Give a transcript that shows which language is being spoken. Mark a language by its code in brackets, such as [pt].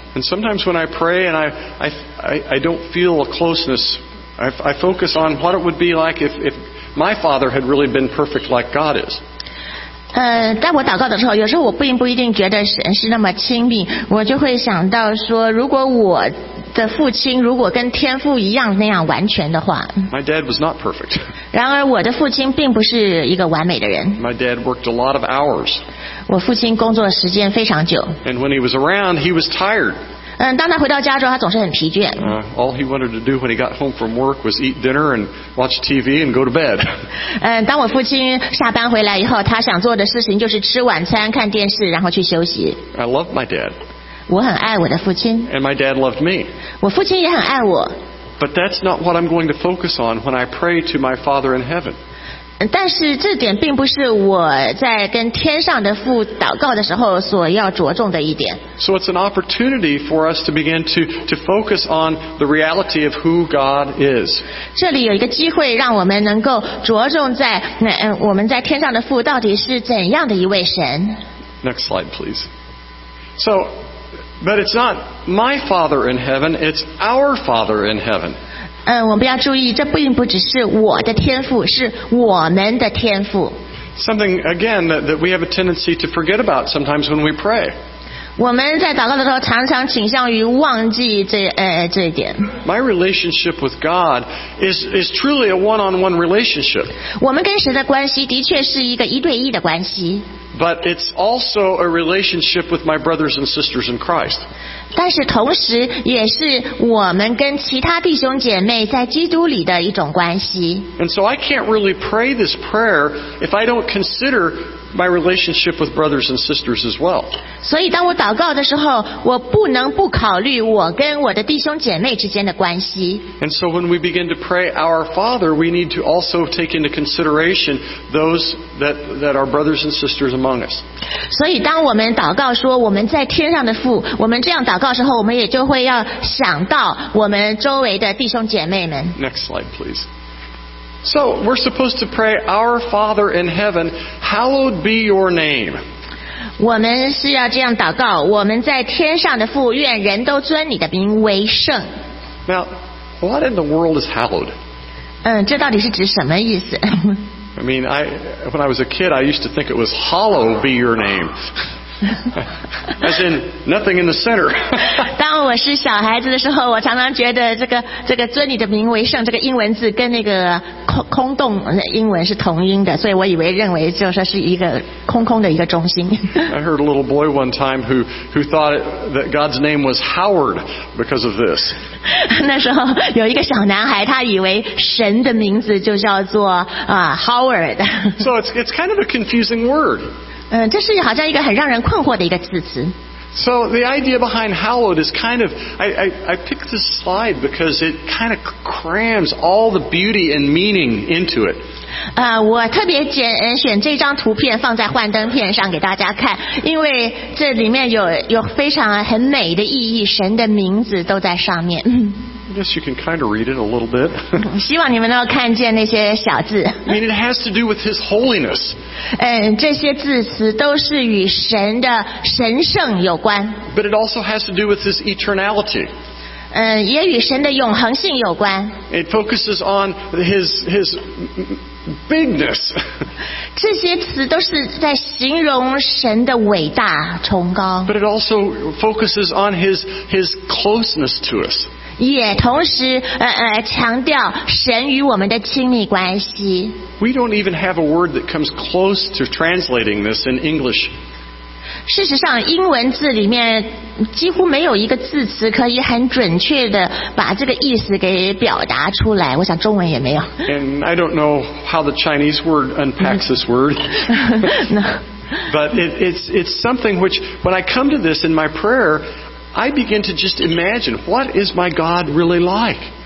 [en] And sometimes when I pray and I don't feel a closeness, I focus on what it would be like if my Father had really been perfect like God is. [zh] 在我祷告的时候，有时候我并不一定觉得神是那么亲密，我就会想到说，如果我的父亲如果跟天父一样那样完全的话。 [en] My dad was not perfect. [zh] 然而我的父亲并不是一个完美的人。 [en] My dad worked a lot of hours. [zh] 我父亲工作时间非常久。 [en] And when he was around, he was tired. [zh] 当他回到家之后，他总是很疲倦。 [en] All he wanted to do when he got home from work was eat dinner and watch TV and go to bed. [zh] 当我父亲下班回来以后，他想做的事情就是吃晚餐、看电视，然后去休息。 [en] I love my dad. [zh] 我很爱我的父亲。 [en] And my dad loved me. [zh] 我父亲也很爱我。 [en] But that's not what I'm going to focus on when I pray to my Father in heaven. [zh] 但是这点并不是我在跟天上的父祷告的时候所要着重的一点。 [en] So it's an opportunity for us to begin to focus on the reality of who God is. [zh] 这里有一个机会让我们能够着重在我们在天上的父到底是怎样的一位神。 [en] Next slide, please. So, but it's not my Father in heaven, it's our Father in heaven. [zh] 我们要注意，这并不只是我的天父，是我们的天父。 [en] Something again that we have a tendency to forget about sometimes when we pray. [zh] 我们在祷告的时候常常倾向于忘记这一点。 [en] My relationship with God is truly a one-on-one relationship. [zh] 我们跟神的关系的确是一个一对一的关系。 [en] But it's also a relationship with my brothers and sisters in Christ. [zh] 但是同时也是我们跟其他弟兄姐妹在基督里的一种关系。 [en] And so I can't really pray this prayer if I don't consider my relationship with brothers and sisters as well. [zh] 所以当我祷告的时候，我不能不考虑我跟我的弟兄姐妹之间的关系。 [en] And so when we begin to pray our Father, we need to also take into consideration those that are brothers and sistersAmong us. [zh] 所以当我们祷告说我们在天上的父，我们这样祷告时候，我们也就会要想到我们周围的弟兄姐妹们。 [en] Next slide, please. So we're supposed to pray, "Our Father in heaven, hallowed be your name." [zh] 我们是要这样祷告，我们在天上的父，愿人都尊你的名为圣。 [en] Now, what in the world is hallowed? [zh] 这到底是指什么意思？ [en] I mean, when I was a kid, I used to think it was hollow be your name. As in, nothing in the center. [zh] 当我是小孩子的时候，我常常觉得这个尊你的名为圣，这个英文字跟那个空洞英文是同音的，所以我以为认为就说是一个空空的一个中心。 [en] I heard a little boy one time who thought that God's name was Howard because of this. [zh] 那时候有一个小男孩，他以为神的名字就叫做Howard. [en] So it's kind of a confusing word. [zh] 这是好像一个很让人困惑的一个字词。 [en] So the idea behind hallowed is kind of, I picked this slide because it kind of crams all the beauty and meaning into it. [zh] 我特别选这张图片放在幻灯片上给大家看，因为这里面有非常很美的意义，神的名字都在上面。 [en] I guess you can kind of read it a little bit. [zh] 希望你们能够看见那些小字。 [en] I mean, it has to do with His holiness. [zh] 这些字词都是与神的神圣有关。 [en] But it also has to do with His eternality. [zh] 也与神的永恒性有关。 [en] It focuses on his bigness. [zh] 这些词都是在形容神的伟大崇高。 [en] But it also focuses on his closeness to us. [zh] 也同时强调神与我们的亲密关系。 [en] We don't even have a word that comes close to translating this in English. [zh] 事实上英文字里面几乎没有一个字词可以很准确的把这个意思给表达出来我想中文也没有 [en] And I don't know how the Chinese word unpacks this word But it's something which when I come to this in my prayer I begin to just imagine what is my God really like